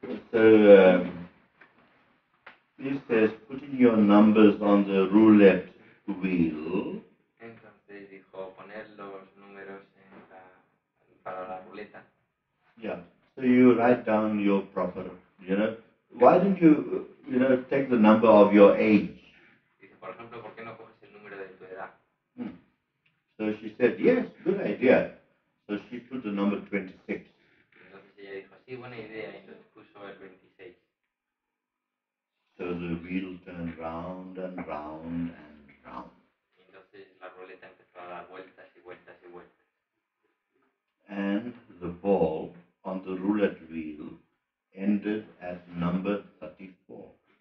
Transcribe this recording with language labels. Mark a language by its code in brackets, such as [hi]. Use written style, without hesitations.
[en] So, he says, putting your numbers on the roulette wheel. [es] Entonces dijo, poner los números en la, para la ruleta. [en] Yeah, so you write down your proper, you know. Why don't you, you know, take the number of your age? [es] Dice, por ejemplo, ¿por qué no coges el número de tu edad? [en] So she said, yes, good idea. So she put the number 26. [es] Entonces ella dijo, sí, buena idea, y entonces puso el 26. [en] So the wheel turned round and round and round. [es] Y entonces la ruleta empezó a dar vueltas y vueltas y vueltas. [en] And the ball on the roulette wheel ended at number 34.